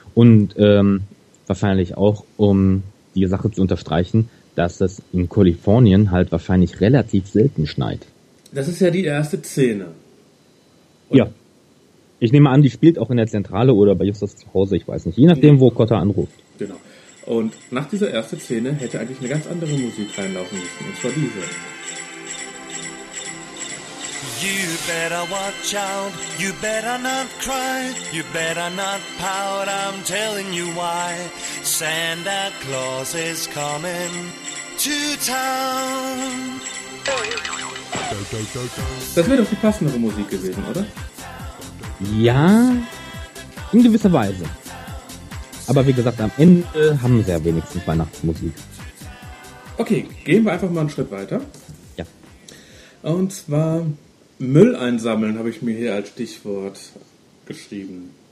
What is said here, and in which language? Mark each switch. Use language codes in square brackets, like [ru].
[de] Und wahrscheinlich auch, um die Sache zu unterstreichen, dass es in Kalifornien halt wahrscheinlich relativ selten schneit. Das ist ja die erste Szene. Und ja. Ich nehme an, die spielt auch in der Zentrale oder bei Justus zu Hause, ich weiß nicht. Je nachdem, wo Cotter anruft. Genau. Und nach dieser ersten Szene hätte eigentlich eine ganz andere Musik reinlaufen müssen, und zwar diese. [en] You better watch out, you better not cry, you better not pout, I'm telling you why. Santa Claus is coming to town. [de] Das wäre doch die passendere Musik gewesen, oder? Ja, in gewisser Weise. Aber wie gesagt, am Ende haben sie ja wenigstens Weihnachtsmusik. Okay, gehen wir einfach mal einen Schritt weiter. Ja. Und zwar Müll einsammeln habe ich mir hier als Stichwort geschrieben.